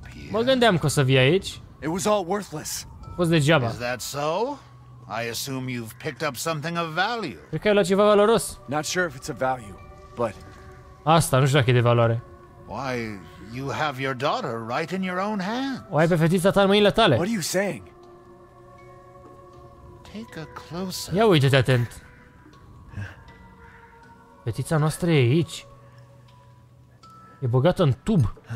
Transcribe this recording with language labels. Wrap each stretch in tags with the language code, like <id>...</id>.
<ro>Mă gândeam că o să vii aici.</ro> <en>It was all worthless.</en> <ro>A fost degeaba.</ro> <en>Is that so? I assume you've picked up something of value.</en> <ro>Cred că ai luat ceva valoros.</ro> <en>Not sure if it's a value, but</en> <ro>asta, nu știu dacă e de valoare.</ro> <en>Why you have your daughter right in your own hands?</en> <ro>O ai pe fetița ta în mâinile tale.</ro> <en>What are you saying? Take a closer.</en> <ro>Ia uite-te atent. Fetița noastră e aici. E băgată în tub.</ro>